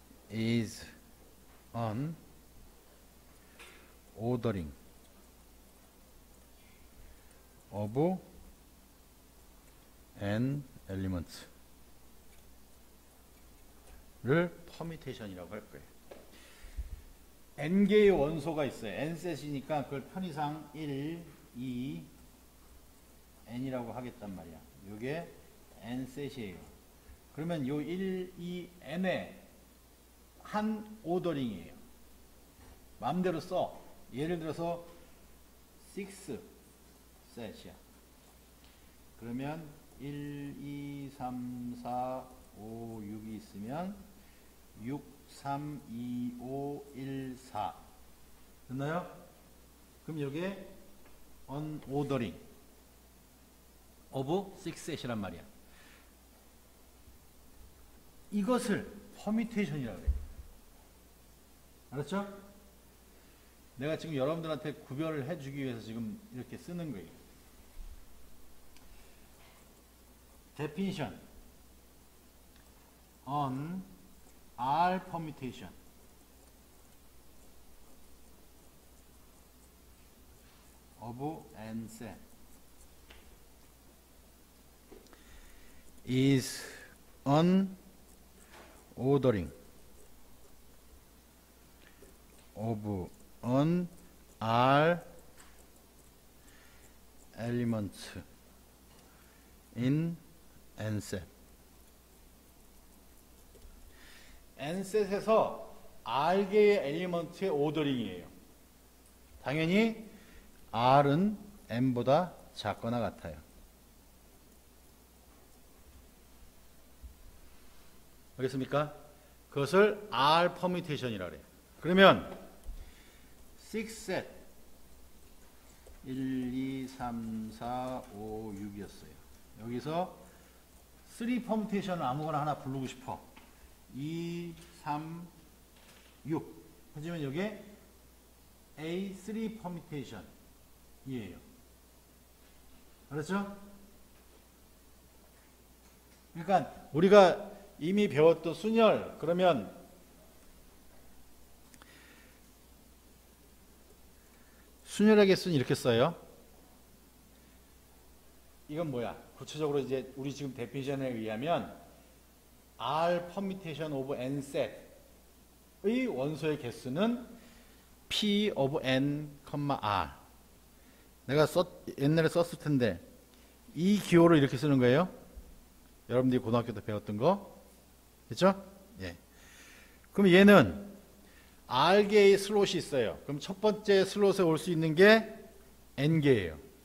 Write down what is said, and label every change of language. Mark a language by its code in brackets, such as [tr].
[en] is an ordering of n elements [ko] 를 permutation이라고 할 거예요. n개의 원소가 있어요. n셋이니까 그걸 편의상 1, 2, n이라고 하겠단 말이야. 이게 n셋이에요. 그러면 요 1, 2, n의 한 오더링이에요. 마음대로 써. 예를 들어서 6셋이야. 그러면 1, 2, 3, 4, 5, 6이 있으면 6, 3, 2, 5, 1, 4. 됐나요? 그럼 이게 [en] an ordering of [ko] 6셋이란 말이야. 이것을 permutation이라고 해요. 알았죠? 내가 지금 여러분들한테 구별을 해주기 위해서 지금 이렇게 쓰는 거예요. [en] Definition an R permutation of n set is an ordering of an R element in n set. [ko] n셋에서 r개의 엘리먼트의 오더링이에요. 당연히 r은 n보다 작거나 같아요. 알겠습니까? 그것을 r 퍼뮤테이션이라고 해요. 그러면 6셋 1, 2, 3, 4, 5, 6이었어요. 여기서 3 퍼뮤테이션을 아무거나 하나 부르고 싶어. 2, 3, 6. 하지만 여기 A3 permutation 이에요. 알았죠? 그러니까 우리가 이미 배웠던 순열, 그러면 순열하게 쓰는 이렇게 써요. 이건 뭐야? 구체적으로 이제 우리 지금 definition에 의하면 [en] R permutation of n set [ko] 의 원소의 개수는 P of n, R. 내가 옛날에 썼을 텐데, 이 기호를 이렇게 쓰는 거예요. 여러분들이 고등학교 때 배웠던 거. 그죠? 예. 그럼 얘는 R개의 슬롯이 있어요. 그럼 첫 번째 슬롯에 올 수 있는 게 N개예요.